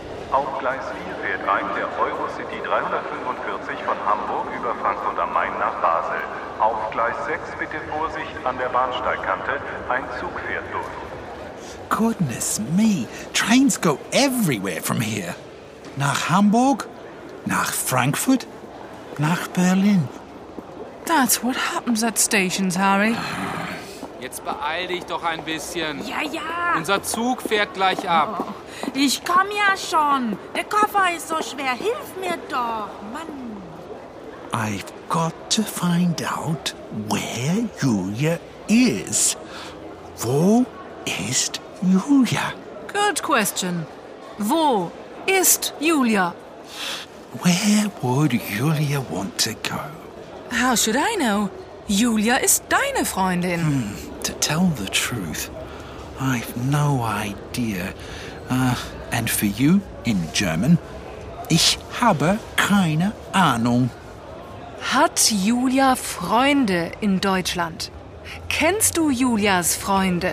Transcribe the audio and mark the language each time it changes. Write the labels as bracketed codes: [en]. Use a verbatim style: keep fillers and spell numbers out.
[de] Auf Gleis vier fährt ein der Eurocity dreihundertfünfundvierzig von Hamburg über Frankfurt am Main nach Basel. Auf Gleis sechs bitte Vorsicht an der Bahnsteigkante, ein Zug fährt durch. [en] Goodness me, trains go everywhere from here. [de] Nach Hamburg, nach Frankfurt, nach Berlin. [en] That's what happens at stations, Harry. [de] Jetzt beeil dich doch ein bisschen. Ja, ja. Unser Zug fährt gleich ab. Oh. Ich komm ja schon. Der Koffer ist so schwer. Hilf mir doch, Mann. [en] I've got to find out where Julia is. [de] Wo ist Julia? [en] Good question. [de] Wo ist Julia? [en] Where would Julia want to go? How should I know? [de] Julia ist deine Freundin. [en] Hmm, to tell the truth, I've no idea. Uh, and for you in German, [de] ich habe keine Ahnung. Hat Julia Freunde in Deutschland? Kennst du Julias Freunde?